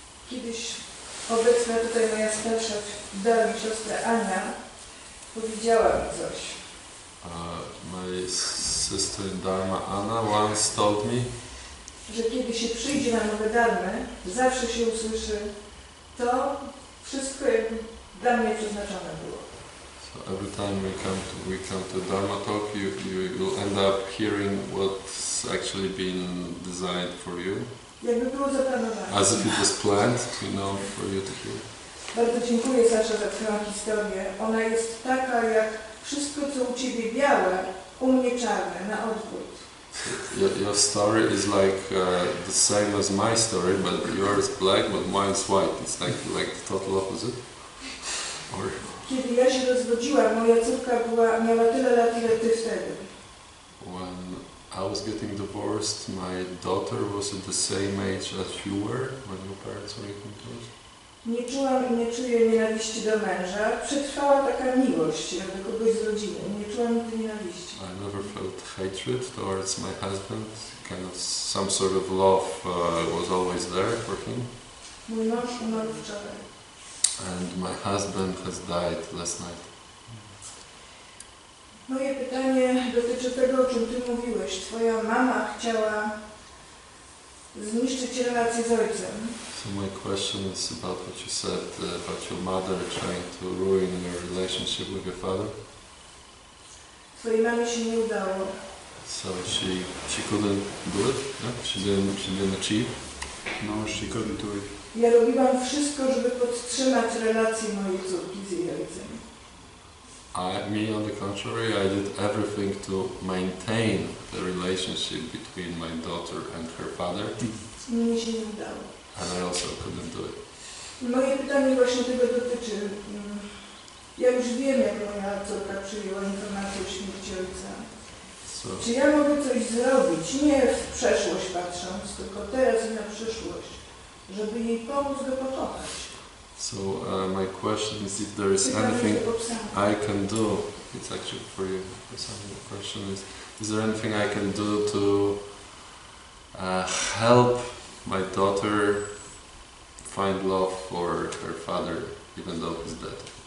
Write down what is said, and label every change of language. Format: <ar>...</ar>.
<pl>Kiedyś obecna tutaj moja starsza dalej siostra Ania powiedziała mi coś.</pl> <en>My sister in Dharma Anna once told me,</en> <pl>że kiedy się przyjdzie na nowe darmy, zawsze się usłyszy to wszystko, jakby dla mnie przeznaczone było.</pl> <en>So every time we come to Dharma talk, you will end up hearing what's actually been designed for you.</en> <pl>Jakby było zaplanowane.</pl> <en>As if it was planned, you know, for you to hear.</en> <pl>Bardzo dziękuję Sasza za twoją historię. Ona jest taka, jak wszystko, co u ciebie białe, u mnie czarne, na odwrót.</pl> <en>Your story is like the same as my story, but yours is black, but mine is white. It's like the total opposite. Or...</en> <pl>Kiedy ja się rozwodziłam, moja córka miała tyle lat, ile ty wtedy.</pl> <en>When I was getting divorced, my daughter was at the same age as you were when your parents were getting divorced.</en> <pl>Nie czułam i nie czuję nienawiści do męża. Przetrwała taka miłość do kogoś z rodziny. Nie czułam nigdy nienawiści.</pl> <en>I never felt hatred towards my husband. Kind of some sort of love was always there for him.</en> <pl>Mój mąż umarł wczoraj.</pl> <en>And my husband has died last night.</en> <pl>Moje pytanie dotyczy tego, o czym ty mówiłeś. Twoja mama chciała zniszczyć relacje z ojcem.</pl> <en>So my question is about what you said about your mother trying to ruin your relationship with your father.</en> <pl>Twojej mamie się nie udało.</pl> <en>So she couldn't do it? No? She didn't achieve? No, she couldn't do it.</en> <pl>Ja robiłam wszystko, żeby podtrzymać relacje mojej córki z jej ojcem.</pl> <en>Me on the contrary, I did everything to maintain the relationship between my daughter and her father.</en> <pl>Mnie się nie udało.</pl> <en>And I also couldn't do it.</en> <pl>Moje pytanie właśnie tego dotyczy. Ja już wiem, jak moja córka przyjęła informację o śmierci ojca. So, czy ja mogę coś zrobić, nie w przeszłość patrząc, tylko teraz i na przyszłość, żeby jej pomóc go pokochać?</pl> <en>So my question is if there is anything I can do. It's actually for you. The question is there anything I can do to help my daughter find love for her father, even though he's dead?</en>